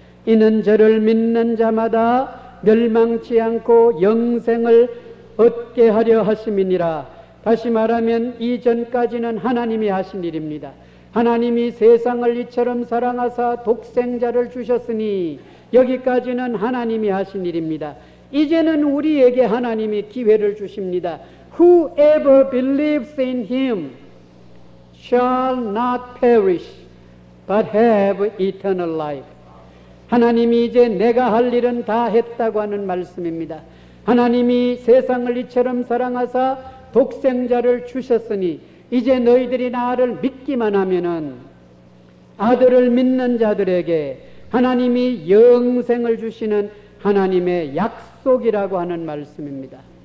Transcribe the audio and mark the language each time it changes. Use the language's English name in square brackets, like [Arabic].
[Korean] 이는 저를 믿는 자마다 멸망치 않고 영생을 얻게 하려 하심이니라. 다시 말하면 이전까지는 하나님이 하신 일입니다. 하나님이 세상을 이처럼 사랑하사 독생자를 주셨으니 여기까지는 하나님이 하신 일입니다. 이제는 우리에게 하나님이 기회를 주십니다. [English] Whoever believes in him shall not perish but have eternal life. [Korean] 하나님이 이제 내가 할 일은 다 했다고 하는 말씀입니다. 하나님이 세상을 이처럼 사랑하사 독생자를 주셨으니 이제 너희들이 나를 믿기만 하면은 아들을 믿는 자들에게 하나님이 영생을 주시는 하나님의 약속이라고 하는 말씀입니다.